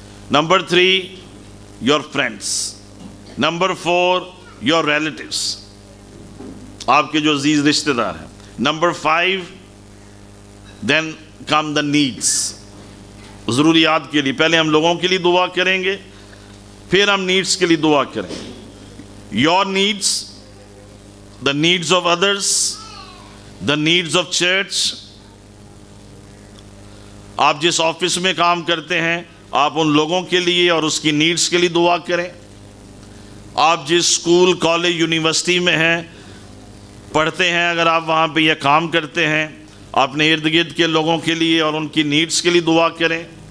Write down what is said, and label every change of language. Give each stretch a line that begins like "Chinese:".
English: Number three, your friends. Number four, your relatives,
Urdu: آپ کے جو عزیز رشتہ دار ہیں.
English: number five, then come the needs,
Urdu: ضروریات کے لیے. پہلے ہم لوگوں کے لیے دعا کریں گے, پھر ہم نیڈس کے لیے دعا کریں گے.
English: Your needs, the needs of others, the needs of church.
Urdu: آپ جس آفس میں کام کرتے ہیں آپ ان لوگوں کے لیے اور اس کی نیڈس کے لیے دعا کریں. آپ جس سکول, کالج, یونیورسٹی میں ہیں, پڑھتے ہیں اگر آپ وہاں پہ یہ کام کرتے ہیں, اپنے ارد گرد کے لوگوں کے لیے اور ان کی نیڈس کے لیے دعا کریں.